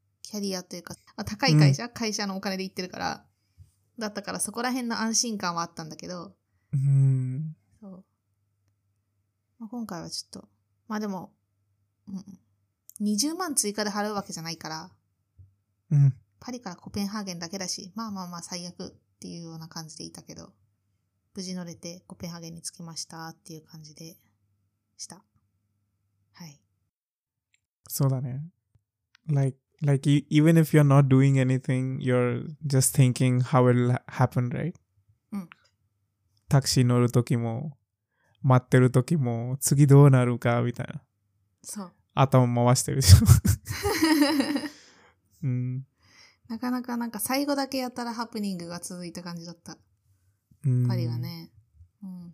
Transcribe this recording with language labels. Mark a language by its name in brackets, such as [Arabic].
[Japanese] キャリアというか、まあ、高い会社、うん、会社のお金で行ってるから、だったからそこら辺の安心感はあったんだけど、そう、まあ、今回はちょっと、まあでも、うん、20万追加で払うわけじゃないから、うん、パリからコペンハーゲンだけだし、まあまあまあ最悪っていうような感じでいたけど、無事乗れてコペンハーゲンに着きましたっていう感じでした。はい。そうだね。 [English] Like, even if you're not doing anything, you're just thinking how it'll happen, right? [Japanese] うん。タクシー乗るときも、待ってるときも、次どうなるか、みたいな。そう。頭回してるでしょ。うん。なかなかなんか最後だけやったらハプニングが続いた感じだった。パリはね。うん。